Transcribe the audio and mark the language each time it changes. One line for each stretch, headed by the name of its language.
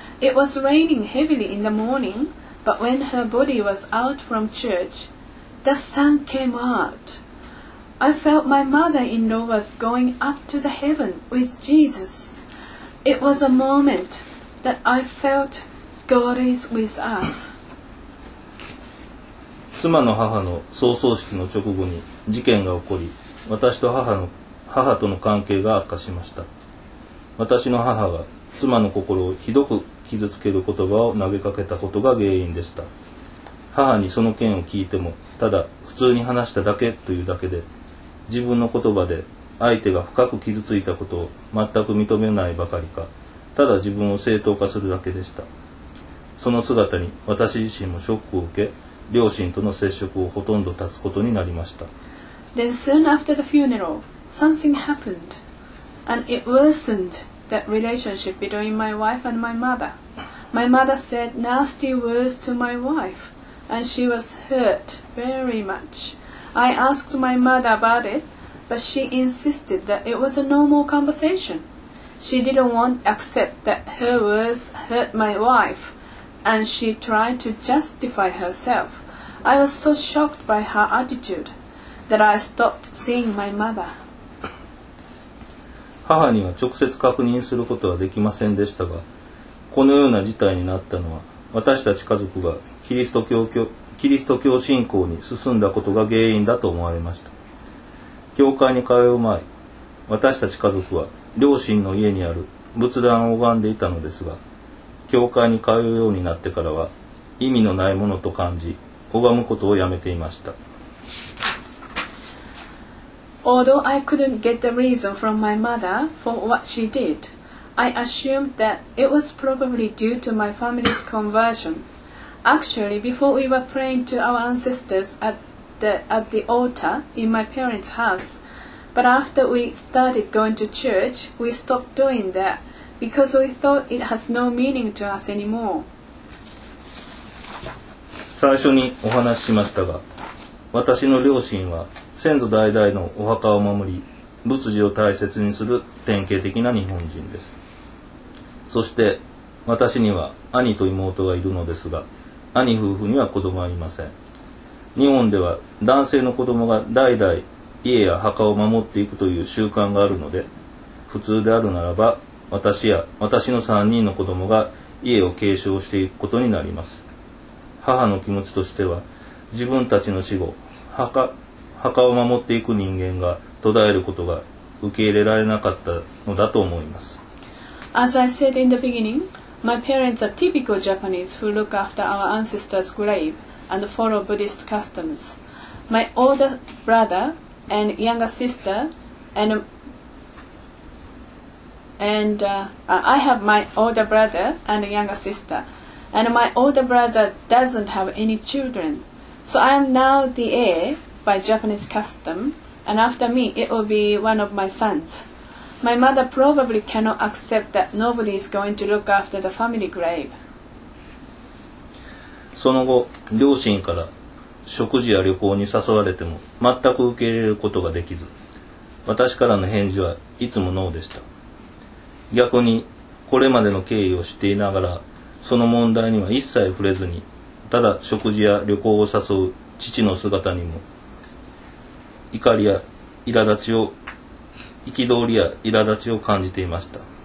English: It was raining heavily in the morning. But when her body was out from church, the sun came out. I felt my mother-in-law was going up to the heaven with Jesus. It was a moment that I felt God is with us.
Japanese: 妻の母の葬送式の直後に事件が起こり、私と母との関係が悪化しました。私の母が妻の心をひどく傷つける言葉を投げかけたことが原因でした。母にその件を聞いても、ただ普通に話しただけというだけで、自分の言葉で相手が深く傷ついたことを全く認めないばかりか、ただ自分を正当化するだけでした。その姿に私自身もショックを受け、両親との接触をほとんど断つことになりました。
English: Then soon after the funeral, something happened and it worsenedthat relationship between my wife and my mother. My mother said nasty words to my wife, and she was hurt very much. I asked my mother about it, but she insisted that it was a normal conversation. She didn't want to accept that her words hurt my wife, and she tried to justify herself. I was so shocked by her attitude that I stopped seeing my mother.
Japanese: 母には直接確認することはできませんでしたが、このような事態になったのは、私たち家族がキリスト教信仰に進んだことが原因だと思われました。教会に通う前、私たち家族は両親の家にある仏壇を拝んでいたのですが、教会に通うようになってからは意味のないものと感じ、拝むことをやめていました。
English: Although I couldn't get the reason from my mother for what she did, I assumed that it was probably due to my family's conversion. Actually, before we were praying to our ancestors at the altar in my parents' house, but after we started going to church, we stopped doing that because we thought it has no meaning to us anymore.
Japanese: 最初にお話ししましたが、私の両親は先祖代々のお墓を守り、仏事を大切にする典型的な日本人です。そして私には兄と妹がいるのですが、兄夫婦には子供はいません。日本では男性の子供が代々家や墓を守っていくという習慣があるので、普通であるならば私や私の3人の子供が家を継承していくことになります。母の気持ちとしては、自分たちの死後墓を守っていく人間が途絶えることが受け入れられなかったのだと思います。
English: As I said in the beginning, my parents are typical Japanese who look after our ancestors' grave and follow Buddhist customs. My older brother and younger sister and my older brother doesn't have any children. So I am now the heir by Japanese custom, and after me it will be one of my sons. My mother probably cannot accept that nobody is going to look after the family grave.
Japanese: その後、両親から食事や旅行に誘われても全く受け入れることができず、私からの返事はいつもノーでした。逆に、これまでの経緯を知っていながら、その問題には一切触れずに、ただ食事や旅行を誘う父の姿にも、怒りや苛立ちを憤りや苛立ちを感じていました。